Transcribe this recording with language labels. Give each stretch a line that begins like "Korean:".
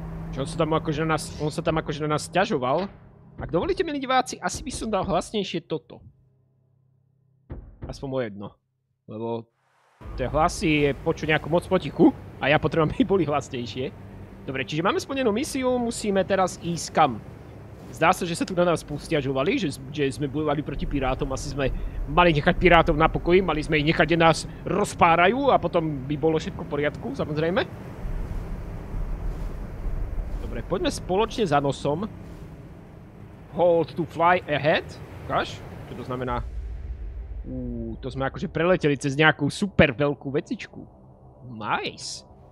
Slovak: Čo on sa tam akože na nás sťažoval? Ak dovolíte, milí diváci, asi by som dal hlasnejšie toto. Aspoň o jedno. Lebo tie hlasy je počuť nejako moc potichu a ja potrebujem, aby boli hlasnejšie. Dobre, čiže máme splnenú misiu, musíme teraz ísť kam. Zdá sa, že sa tu na nás pustiažovali, že sme bojovali proti pirátom. Asi sme mali nechať pirátov na pokoji, mali sme ich nechať, kde nás rozpárajú a potom by bolo všetko v poriadku, samozrejme. Dobre, poďme spoločne za nosom.
English: Hold to fly ahead.
Slovak: Ukáž, čo to znamená? To sme akože preleteli cez nejakú super veľkú vecičku. Nice.